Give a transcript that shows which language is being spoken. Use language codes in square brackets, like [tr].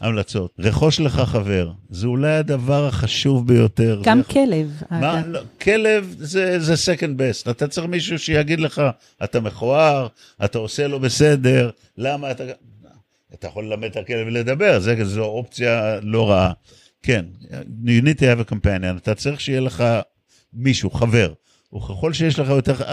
[he] המלצות. רכוש לך חבר. זה אולי הדבר החשוב ביותר. גם כלב. כלב זה [en] second best. [he] אתה צריך מישהו שיגיד לך, אתה מכוער, אתה עושה לו בסדר, למה אתה... אתה יכול ללמד את הכלב לדבר, זו אופציה לא רעה. כן, [en] you need to have a companion. [he] אתה צריך שיהיה לך מישהו, חבר. וככל שיש לך יותר...